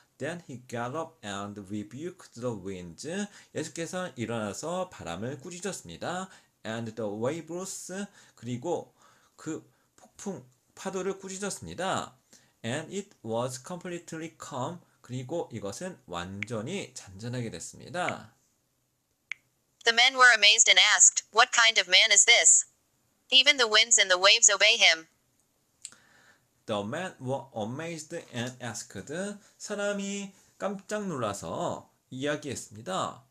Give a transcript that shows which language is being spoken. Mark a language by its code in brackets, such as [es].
[en] Then he got up and rebuked the winds. [ko] 예수께서 일어나서 바람을 꾸짖었습니다. [en] And the waves, [ko] 그리고 그 폭풍, 파도를 꾸짖었습니다. [en] And it was completely calm. [ko] 그리고 이것은 완전히 잔잔하게 됐습니다. [en] The men were amazed and asked, What kind of man is this? Even the winds and the waves obey him. The men were amazed and asked. [ko] 사람이 깜짝 놀라서 이야기했습니다.